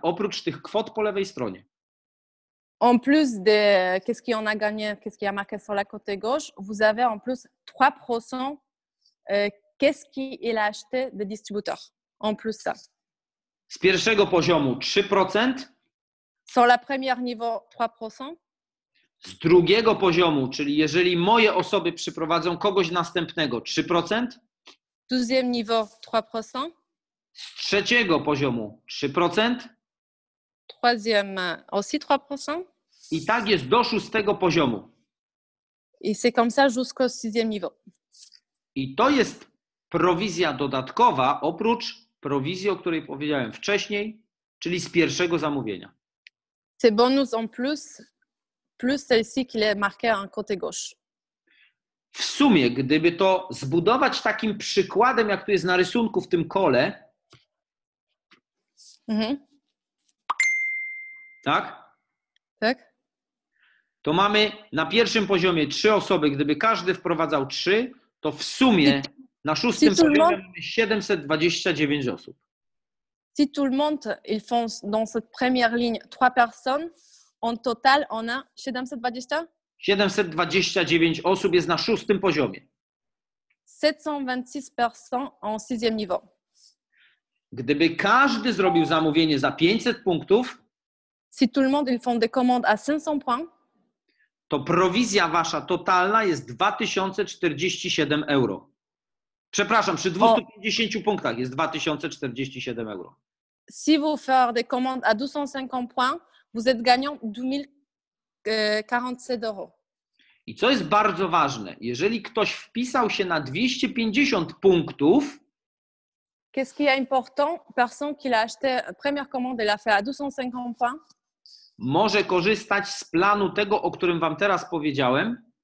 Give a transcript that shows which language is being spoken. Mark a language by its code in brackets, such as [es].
[pl] Oprócz tych kwot po lewej stronie. [fr] En plus de qu'est-ce qu'il y en a gagné, qu'est-ce qu'il y a marqué sur la côte gauche, vous avez en plus 3% qu'est-ce qu'il a acheté de distributeur. En plus ça. [pl] Z pierwszego poziomu 3%. [fr] Sur la première niveau 3%. [pl] Z drugiego poziomu, czyli jeżeli moje osoby przyprowadzą kogoś następnego, 3%. [fr] Deuxième niveau 3%. [pl] Z trzeciego poziomu 3%. [fr] Troisième aussi 3%. [pl] I tak jest do szóstego poziomu. [fr] Et c'est comme ça jusqu'au sixième niveau. [pl] I to jest prowizja dodatkowa oprócz prowizji, o której powiedziałem wcześniej, czyli z pierwszego zamówienia. [fr] C'est bonus en plus, plus celle-ci qui est marquée en côté gauche. [pl] W sumie, gdyby to zbudować takim przykładem, jak tu jest na rysunku w tym kole, tak? Tak. To mamy na pierwszym poziomie trzy osoby, gdyby każdy wprowadzał trzy, to w sumie na szóstym poziomie mamy 729 osób. [fr] Si tout le monde, ils font dans cette première ligne trois personnes, en total on a 720? [pl] 729 osób jest na szóstym poziomie. [fr] 726 personnes en sixième niveau. [pl] Gdyby każdy zrobił zamówienie za 500 punktów, [fr] si tout le monde, ils font des commandes à 500 points, [pl] to prowizja wasza totalna jest 2047 euro. Przepraszam, przy 250 punktach jest 2047 euro. [fr] Si vous faites des commandes à 250 points, vous êtes gagnant 2047 euros. [pl] I co jest bardzo ważne, jeżeli ktoś wpisał się na 250 punktów, [fr] qu'est-ce qui est important, personne qui l'a acheté première commande et l'a fait à 250 points, [pl] może korzystać z planu tego, o którym wam teraz powiedziałem.